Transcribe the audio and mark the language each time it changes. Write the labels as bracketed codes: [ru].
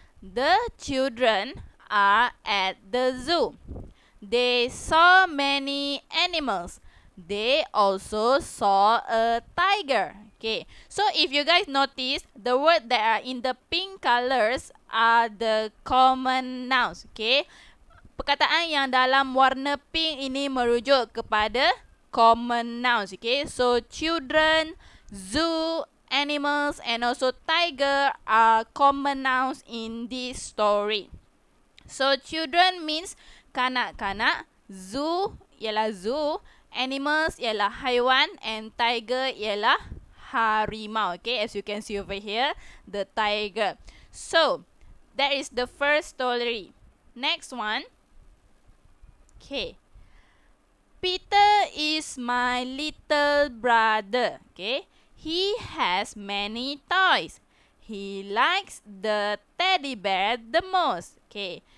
[en] The children are at the zoo. They saw many animals. They also saw a tiger. Okay, so if you guys notice, the word that are in the pink colors are the common nouns. [ms] Okay, perkataan yang dalam warna pink ini merujuk kepada common nouns, okay? [en] So children, zoo, animals and also tiger are common nouns in this story. So children means kanak-kanak, zoo ialah zoo, animals ialah haiwan and tiger ialah harimau, okay? As you can see over here, the tiger. So that is the first story. Next one. Okay. Peter is my little brother. Okay. He has many toys. He likes the teddy bear the most. Okay.